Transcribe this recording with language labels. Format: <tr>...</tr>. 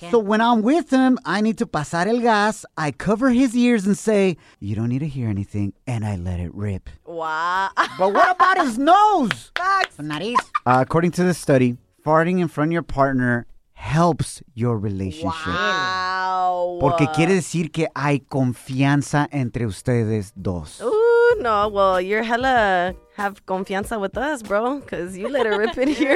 <en>So when I'm with him, I need to</en> <es>pasar el gas.</es> <en>I cover his ears and say, you don't need to hear anything, and I let it rip. Wow. But what about his nose? Facts. The nariz. According to this study, farting in front of your partner helps your relationship. Wow.</en> <es>Porque quiere decir que hay confianza entre ustedes dos.</es> <en>Ooh, no. Well, you're hella have confianza with us, bro, because you let her rip in here.</en>